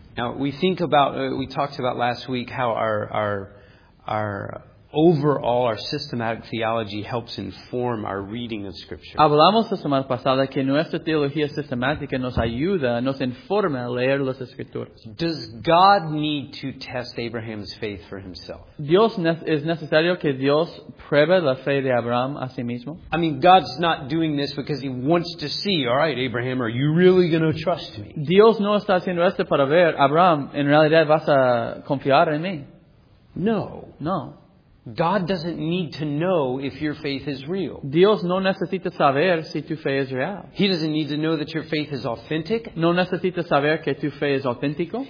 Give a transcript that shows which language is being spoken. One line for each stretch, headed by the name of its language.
English: Now we think about we talked about last week how our overall our systematic theology helps inform our reading of Scripture.
Spanish: Hablamos la semana pasada que nuestra teología sistemática nos ayuda, nos informa a leer las escrituras.
English: Does God need to test Abraham's faith for himself?
Spanish: Dios es necesario que Dios pruebe la fe de Abraham a sí mismo.
English: I mean, God's not doing this because He wants to see. All right, Abraham, are you really going to trust me?
Spanish: Dios no está haciendo esto para ver Abraham. En realidad, ¿vas a confiar en mí? No. No.
English: God doesn't need to know if your faith is real.
Spanish: Dios no necesita saber si tu fe es real.
English: He doesn't need to know that your faith is authentic.
Spanish: No necesita saber que tu fe es auténtico.